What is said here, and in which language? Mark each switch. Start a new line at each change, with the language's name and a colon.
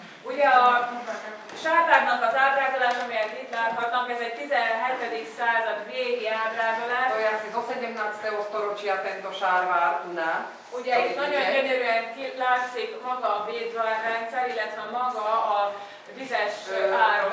Hungarian: Ugye a Sárvárnak az ábrázolás, amelyet itt láthatnak, ez egy 17. század végi ábrázolás.
Slovak: To je asi zo 17. storočia tento Sárvár u nás.
Hungarian: Ugye itt nagyon gyönyörűen látszik maga a védvárrendszer, illetve maga a vizes áron.